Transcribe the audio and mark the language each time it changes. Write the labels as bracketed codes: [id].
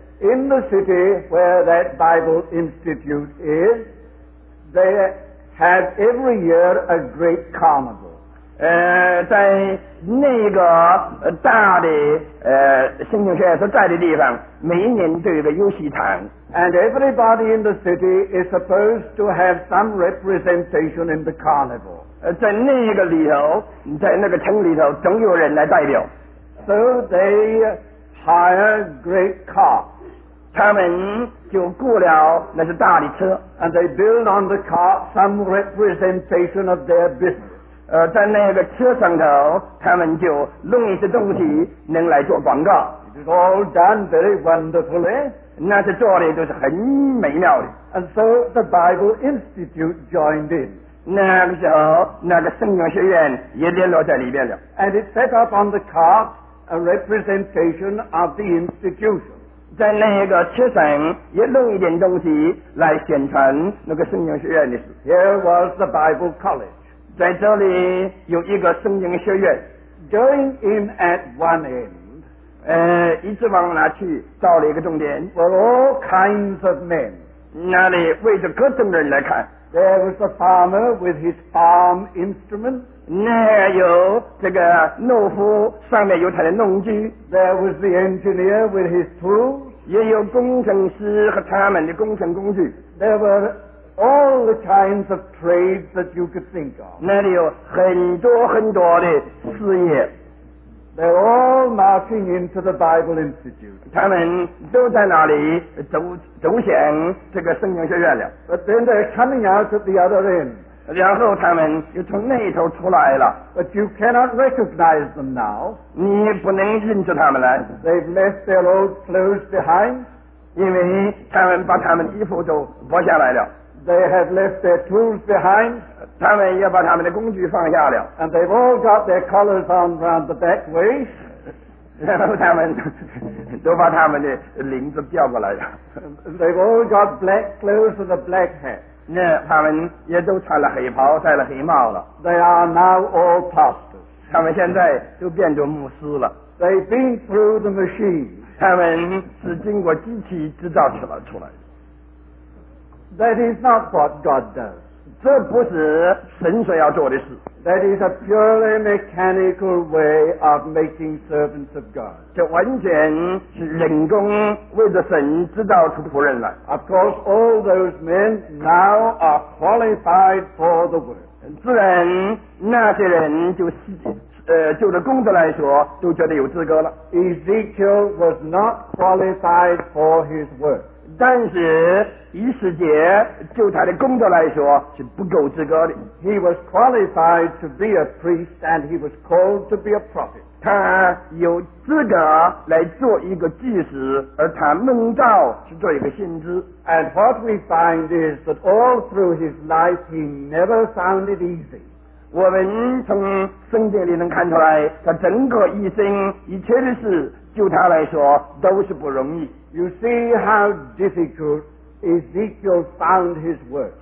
[en] In the city where that Bible institute is， they had every year a great carnival。 [zh] 在那个大的圣经学院所在的地方，每一年都有个游戏场。 [en] And everybody in the city is supposed to have some representation in the carnival。 [zh] 在那个里头，在那个城里头，总有人来代表。 [en] So they hire great cars。 [zh] 他们就雇了那些大的车 [en] ，and they build on the car some representation of their business。 [zh] 在那个车上头，他们就弄一些东西能来做广告。 [en] It is all done very wonderfully。 [zh] 那些做的都是很美妙的。 [en] And so the Bible Institute joined in。 [zh] 那个时候，那个圣经学院也联络在里边了。 [en] And it set up on the car a representation of the institution。 [zh] 在那个车上也弄一点东西来宣传那个圣经学院的事。 [en] Here was the Bible College， [zh] 在这里有一个圣经学院。 [en] Going in at one end， [zh] 一直往哪去，到了一个终点。 [en] Were all kinds of men， [zh] 那里为着各种人来看。 [en] There was the farmer with his farm instruments， [zh] 那有这个农夫，上面有他的农具。 [en] There was the engineer with his tools， [zh] 也有工程师和他们的工程工具。 [en] There were all the kinds of trades that you could think of， [zh] 那里有很多很多的事业。 [en] They were all marching into the Bible Institute， [zh] 他们都在那里走向这个圣经学院了。 [en] But then they're coming out at the other end， [zh] 然后他们又从那头出来了。 [en] But you cannot recognize them now， [zh] 你不能认出他们来。 [en] They've left their old clothes behind， [zh] 因为他们把他们衣服都脱下来了。 [en] They have left their tools behind， [zh] 他们也把他们的工具放下了。 [en] And they've all got their collars on round the back way， [zh] 然后他们都把他们的领子吊过来了。 [en] They've all got black clothes and a black hat， [zh] 那他们也都穿了黑袍，戴了黑帽了。 [en] They are now all pastors， [zh] 他们现在都变成牧师了。 [en] They've been through the machine， [zh] 他们是经过机器制造起来出来的。 [en] That is not what God does， [zh] 这不是神所要做的事。 [en] That is a purely mechanical way of making servants of God， [zh] 这完全是人工为着神制造出仆人来。 [en] Of course all those men now are qualified for the work， [zh] 自然那些人就这工作来说都觉得有资格了。 [en] Ezekiel was not qualified for his work， [zh] 但是以斯帖就他的工作来说是不够资格的。 [en] He was qualified to be a priest and he was called to be a prophet， [zh] 他有资格来做一个祭司，而他蒙召是做一个先知。 [en] And what we find is that all through his life he never found it easy， [zh] 我们从圣经里能看出来，他整个一生一切的事就他来说都是不容易。 [en] You see how difficult Ezekiel found his work，